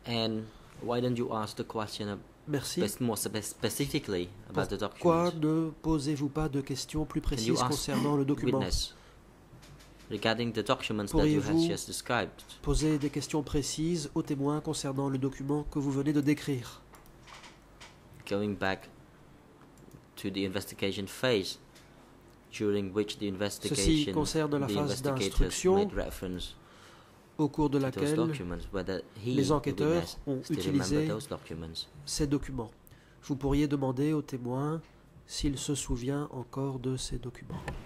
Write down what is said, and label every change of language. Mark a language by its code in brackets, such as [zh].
[en] And why don't you ask the question of [fr] merci. [en] Specifically about the [fr] pourquoi ne posez-vous pas de questions plus précises concernant le document? Pourriez-vous poser des questions précises aux témoins concernant le document que vous venez de décrire? [en] Going back to the investigation phase, during which the investigation, [fr] ceci concerne la phase d'instruction au cours de laquelle les enquêteurs ont utilisé ces documents. Vous pourriez demander au témoin s'il se souvient encore de ces documents.